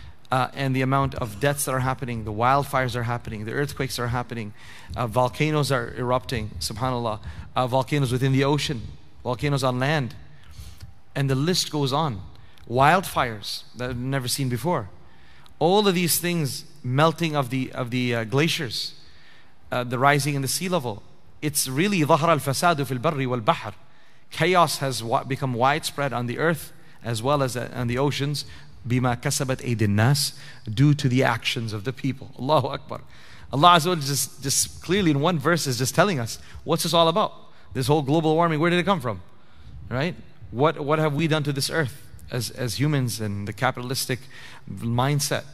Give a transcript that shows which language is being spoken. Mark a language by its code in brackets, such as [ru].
[en] And the amount of deaths that are happening, the wildfires are happening, the earthquakes are happening, volcanoes are erupting, subhanAllah, volcanoes within the ocean, volcanoes on land, and the list goes on. Wildfires that I've never seen before. All of these things, melting of the glaciers, the rising in the sea level. It's really [ar] ظهر الفساد في البر والبحر. [en] Chaos has become widespread on the earth as well as on the oceans. [ar] بما كسبت أيدي الناس, [en] due to the actions of the people. Allahu Akbar. Allah Azza wa Jalla just clearly in one verse is just telling us, what's this all about? This whole global warming, where did it come from? Right? What have we done to this earth as humans and the capitalistic mindset?